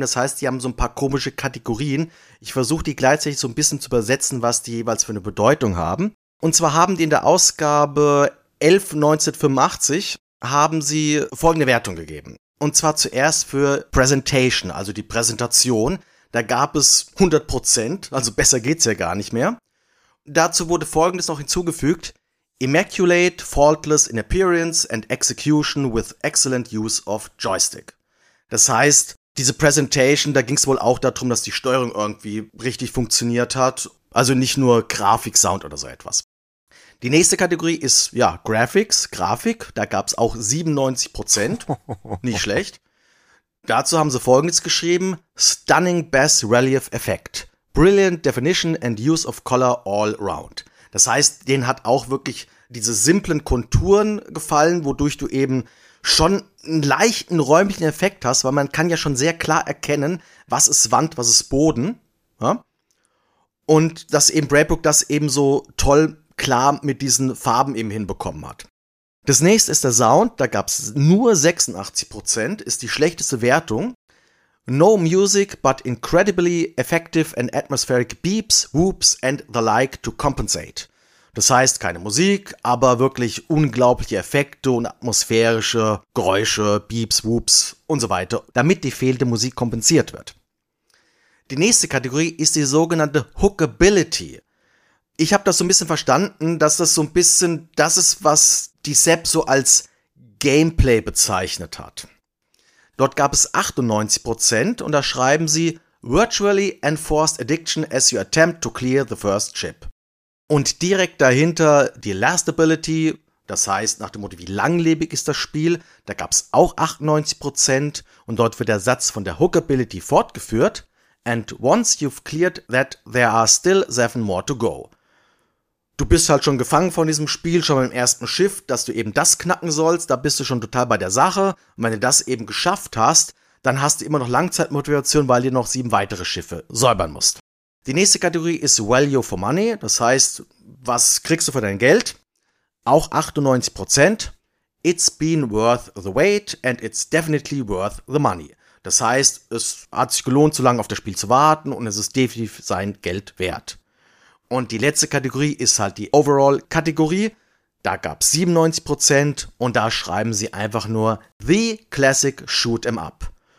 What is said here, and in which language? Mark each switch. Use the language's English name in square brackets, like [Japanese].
[German] Das heißt, die haben so ein paar komische Kategorien. Ich versuche die gleichzeitig so ein bisschen zu übersetzen, was die jeweils für eine Bedeutung haben. Und zwar haben die in der Ausgabe 11/1985 haben sie folgende Wertung gegeben. Und zwar zuerst für Presentation, also die Präsentation. Da gab es 100%, also besser geht's ja gar nicht mehr. Dazu wurde Folgendes noch hinzugefügt. [English] Immaculate, faultless in appearance and execution with excellent use of joystick. [German] Das heißt, diese Presentation, da ging's wohl auch darum, dass die Steuerung irgendwie richtig funktioniert hat. Also nicht nur Grafik, Sound oder so etwas. Die nächste Kategorie ist, ja, Graphics, Grafik. Da gab's auch 97%, nicht schlecht. Dazu haben sie Folgendes geschrieben, [English] Stunning Bass Relief Effect, Brilliant Definition and Use of Color All Round. [German] Das heißt, denen hat auch wirklich diese simplen Konturen gefallen, wodurch du eben schon einen leichten räumlichen Effekt hast, weil man kann ja schon sehr klar erkennen, was ist Wand, was ist Boden. Ja? Und dass eben Braybrook das eben so toll klar mit diesen Farben eben hinbekommen hat. Das nächste ist der Sound, da gab es nur 86%, ist die schlechteste Wertung. [English] No music, but incredibly effective and atmospheric beeps, whoops and the like to compensate. [German] Das heißt, keine Musik, aber wirklich unglaubliche Effekte und atmosphärische Geräusche, beeps, whoops und so weiter, damit die fehlende Musik kompensiert wird. Die nächste Kategorie ist die sogenannte Hookability. Ich habe das so ein bisschen verstanden, dass das so ein bisschen das ist, was die Sepp so als Gameplay bezeichnet hat. Dort gab es 98% und da schreiben sie [English] Virtually enforced addiction as you attempt to clear the first chip. [German] Und direkt dahinter die Lastability, das heißt nach dem Motto, wie langlebig ist das Spiel, da gab es auch 98% und dort wird der Satz von der Hookability fortgeführt. [English] And once you've cleared that, there are still 7 more to go. [German] Du bist halt schon gefangen von diesem Spiel, schon beim ersten Schiff, dass du eben das knacken sollst, da bist du schon total bei der Sache. Und wenn du das eben geschafft hast, dann hast du immer noch Langzeitmotivation, weil du noch 7 weitere Schiffe säubern musst. Die nächste Kategorie ist Value for Money, das heißt, was kriegst du für dein Geld? Auch 98%. [English] It's been worth the wait and it's definitely worth the money. [German] Das heißt, es hat sich gelohnt, so lange auf das Spiel zu warten und es ist definitiv sein Geld wert. Und die letzte Kategorie ist halt die Overall-Kategorie. Da gab es 97% und da schreiben sie einfach nur [English] The Classic Shoot 'em Up.